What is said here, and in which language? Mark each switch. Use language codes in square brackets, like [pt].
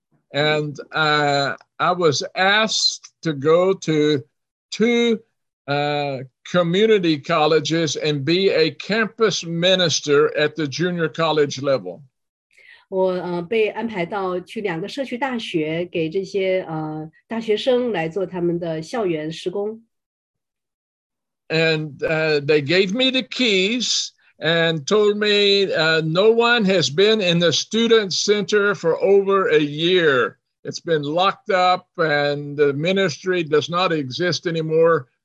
[en] And I was asked to go to two community colleges and be a campus minister at the junior college level. [zh] 我被安排到去两个社区大学，给这些大学生来做他们的校园施工。 [en] And they gave me the keys and told me no one has been in the student center for over a year. It's been locked up and the ministry does not exist anymore.